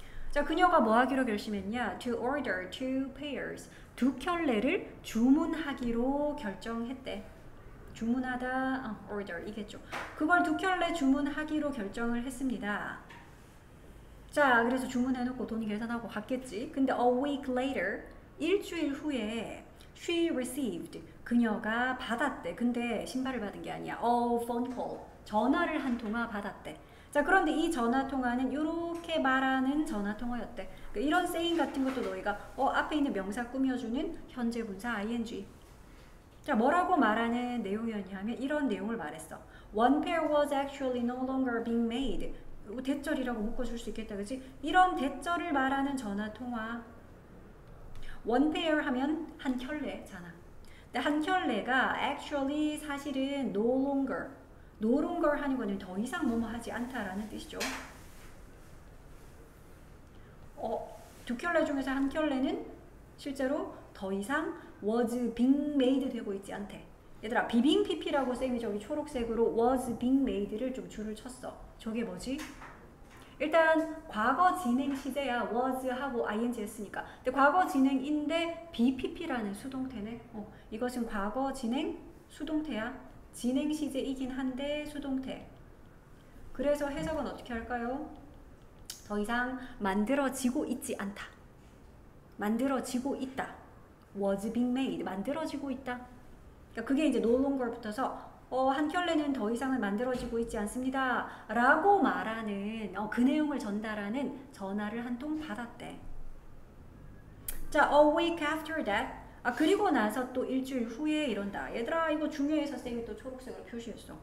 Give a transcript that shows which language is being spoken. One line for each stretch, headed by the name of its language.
Korean: 자, 그녀가 뭐 하기로 결심했냐?
English: To order two pairs.
Korean: 두 켤레를 주문하기로 결정했대. 주문하다, order 이겠죠. 그걸 두 켤레 주문하기로 결정을 했습니다. 자, 그래서 주문해놓고 돈 계산하고 갔겠지. 근데
English: a week later,
Korean: 일주일 후에
English: she received.
Korean: 그녀가 받았대. 근데 신발을 받은 게 아니야.
English: a phone call.
Korean: 전화를 한 통화 받았대. 자, 그런데 이 전화 통화는 이렇게 말하는 전화 통화였대. 이런 saying 같은 것도 너희가 앞에 있는 명사 꾸며주는 현재 분사 ing. 자, 뭐라고 말하는 내용이었냐면 이런 내용을 말했어.
English: One pair was actually no longer being made.
Korean: 대절이라고 묶어줄 수 있겠다, 그렇지? 이런 대절을 말하는 전화 통화.
English: One pair
Korean: 하면 한 켤레잖아. 근데 한 켤레가 actually 사실은
English: no longer. No longer
Korean: 하는 거는 더 이상 뭐뭐 하지 않다라는 뜻이죠. 두 켤레 중에서 한 켤레는 실제로 더 이상
English: was being made
Korean: 되고 있지 않대. 얘들아, 비빙 PP라고 쌤이 저기 초록색으로
English: was being made
Korean: 를 좀 줄을 쳤어. 저게 뭐지? 일단 과거 진행 시제야. was 하고 ing 했으니까. 근데 과거 진행인데 BPP라는 수동태네. 이것은 과거 진행 수동태야. 진행 시제이긴 한데 수동태. 그래서 해석은 어떻게 할까요? 더 이상 만들어지고 있지 않다. 만들어지고 있다.
English: was being made,
Korean: 만들어지고 있다. 그러니까 그게 이제
English: no longer
Korean: 붙어서 한 켤레는 더 이상은 만들어지고 있지 않습니다. 라고 말하는 그 내용을 전달하는 전화를 한통 받았대. 자,
English: a week after that.
Korean: 아, 그리고 나서 또 일주일 후에 이런다. 얘들아, 이거 중요해서 선생님이 또 초록색으로 표시했어.